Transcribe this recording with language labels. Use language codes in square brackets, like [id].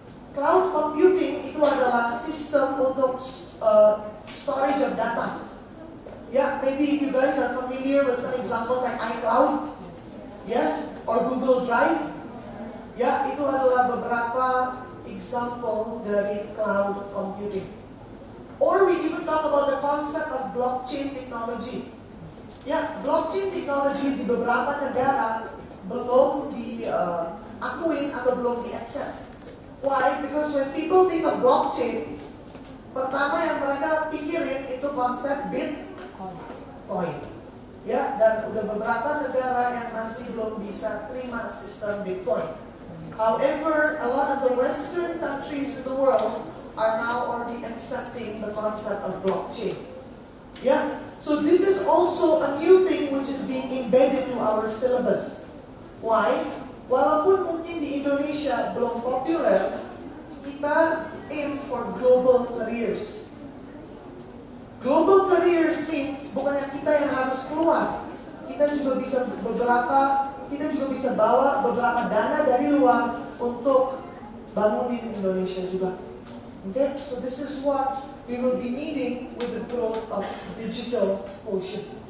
[id] Cloud computing itu adalah sistem untuk [en] storage of data. Yeah, maybe if you guys are familiar with some examples like iCloud, yes, or Google Drive. [id] Yeah, itu adalah beberapa example dari cloud computing. [en] Or we even talk about the concept of blockchain technology. [id] Yeah, blockchain technology di beberapa negara belum diakuin atau belum di-accept. Why? [en] Because when people think of blockchain, [id] pertama yang mereka pikirin itu konsep Bitcoin. Ya, dan udah beberapa negara yang masih belum bisa terima sistem Bitcoin. [en] However, a lot of the Western countries in the world are now already accepting the concept of blockchain. Ya, so this is also a new thing which is being embedded to our syllabus. [id] Why? Walaupun mungkin di Indonesia belum populer, kita [en] aim for global careers. [id] Global careers means bukannya kita yang harus keluar, kita juga bisa bawa beberapa dana dari luar untuk bangunin Indonesia juga. [en] Okay, so this is what we will be needing with the growth of digital ocean.